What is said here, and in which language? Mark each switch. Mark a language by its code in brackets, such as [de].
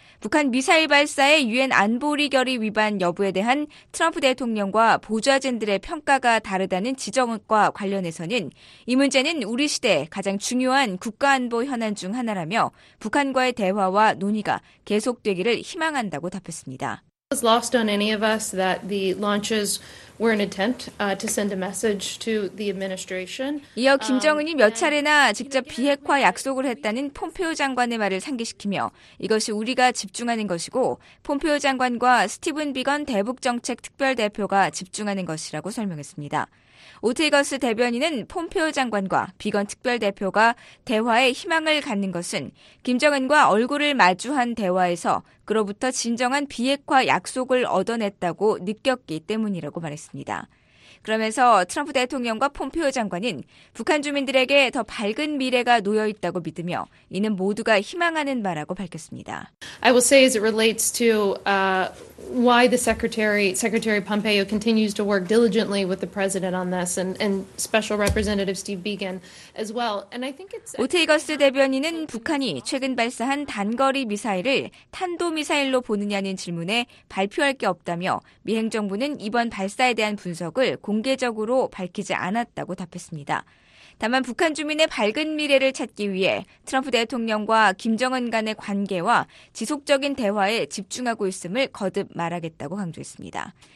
[ko] 북한 미사일 발사의 유엔 안보리 결의 위반 여부에 대한 트럼프 대통령과 보좌진들의 평가가 다르다는 지적과 관련해서는 이 문제는 우리 시대 가장 중요한 국가안보 현안 중 하나라며 북한과의 대화와 논의가 계속되기를 희망한다고 답했습니다. [en] It's lost on any of us that the launches were an attempt to send a message to the administration. [ko] 이어 김정은이 몇 차례나 직접 비핵화 약속을 했다는 폼페오 장관의 말을 상기시키며 이것이 우리가 집중하는 것이고 폼페오 장관과 스티븐 비건 대북정책 특별대표가 집중하는 것이라고 설명했습니다. 오테이거스 대변인은 폼페오 장관과 비건 특별대표가 대화에 희망을 갖는 것은 김정은과 얼굴을 마주한 대화에서 그로부터 진정한 비핵화 약속을 얻어냈다고 느꼈기 때문이라고 말했습니다. 그러면서 트럼프 대통령과 폼페오 장관은 북한 주민들에게 더 밝은 미래가 놓여 있다고 믿으며 이는 모두가 희망하는 바라고 밝혔습니다. [en] I will say as it relates to why the Secretary Pompeo continues to work diligently with the President on this and Special Representative Steve Biegun as well. And I think it's [ko] 오테이거스 대변인은 북한이 최근 발사한 단거리 미사일을 탄도 미사일로 보느냐는 질문에 발표할 게 없다며 미 행정부는 이번 발사에 대한 분석을 공개적으로 밝히지 않았다고 답했습니다. 다만 북한 주민의 밝은 미래를 찾기 위해 트럼프 대통령과 김정은 간의 관계와 지속적인 대화에 집중하고 있음을 거듭 말하겠다고 강조했습니다.